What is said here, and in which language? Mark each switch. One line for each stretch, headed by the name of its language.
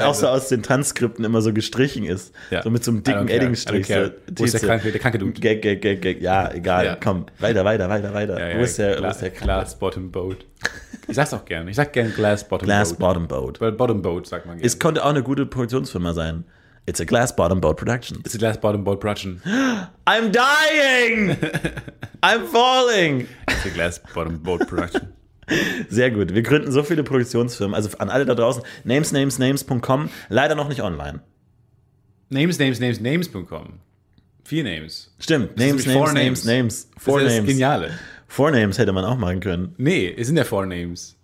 German: auch so aus den Transkripten immer so gestrichen ist. Ja. So mit so einem dicken Edding-Strich. So, wo ist der kranke Dude? Gag. Ja, egal. Ja. Komm, weiter. Ja, wo ist der kranke? Glass Bottom Boat. Ich sag's auch gerne. Ich sag gerne Glass Bottom Boat. Glass Bottom Boat. Weil Bottom Boat, sagt man gerne. Es könnte auch eine gute Produktionsfirma sein.
English: It's a Glass Bottom Boat Production. It's a Glass Bottom Boat Production. I'm dying! I'm falling! It's a Glass Bottom Boat Production.
German: Sehr gut. Wir gründen so viele Produktionsfirmen. Also an alle da draußen. Namesnamesnames.com. Leider noch nicht online. Namesnamesnames.com. Vier Names. Stimmt. Names.
English: Four Names.
German: Das ist das Geniale. Four Names hätte man auch machen können. Nee, es sind ja Four Names.